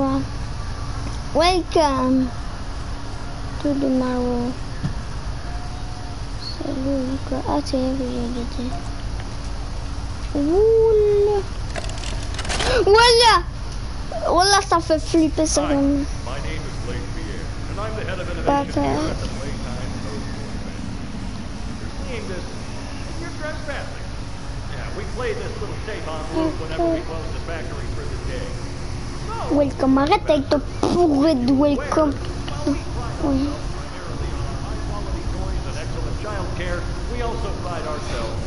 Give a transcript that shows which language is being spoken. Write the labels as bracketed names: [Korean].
[English] Hein. Welcome to the marrow. [French] Salut, quoi? Ah, c'est là que j'ai dit. Oula! Voilà! Voilà, ça fait flipper ça. [English] Hi, my name is Lake Pierre, and I'm the head of innovation here at the Playtime Host. You're seeing this, and you're trespassing. Yeah, we play this little tape on loop whenever we close the factory for the day. So, welcome, [French] arrête avec ton pourri de welcome. [English] Well, we pride ourselves primarily on high quality toys and excellent child care. We also pride ourselves.